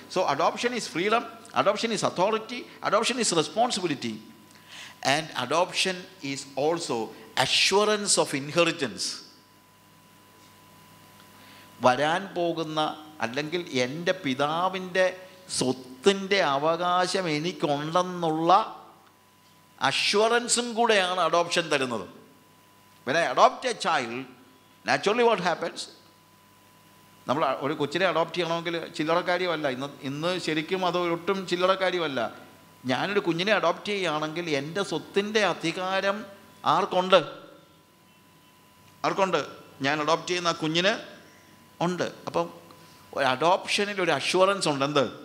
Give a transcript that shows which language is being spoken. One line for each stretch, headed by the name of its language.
English: So adoption is freedom, adoption is authority, adoption is responsibility, and adoption is also assurance of inheritance.
Malayalam: വരാൻ പോകുന്ന അല്ലെങ്കിൽ എൻ്റെ പിതാവിൻ്റെ സ്വത്തിൻ്റെ അവകാശം എനിക്കുണ്ടെന്നുള്ള അഷ്വറൻസും കൂടെയാണ് അഡോപ്ഷൻ തരുന്നത്.
English: When I adopt a child, naturally what happens?
Malayalam: നമ്മൾ ഒരു കൊച്ചിനെ അഡോപ്റ്റ് ചെയ്യണമെങ്കിൽ ചില്ലറക്കാര്യമല്ല, ഇന്ന് ശരിക്കും അത് ഒട്ടും ചില്ലറക്കാര്യമല്ല. ഞാനൊരു കുഞ്ഞിനെ അഡോപ്റ്റ് ചെയ്യുകയാണെങ്കിൽ എൻ്റെ സ്വത്തിൻ്റെ അധികാരം ആർക്കുണ്ട്? ആർക്കുണ്ട്? ഞാൻ അഡോപ്റ്റ് ചെയ്യുന്ന കുഞ്ഞിന് ഉണ്ട്. അപ്പം ഒരു അഡോപ്ഷനിൽ ഒരു അഷുറൻസ് ഉണ്ട്. എന്ത്?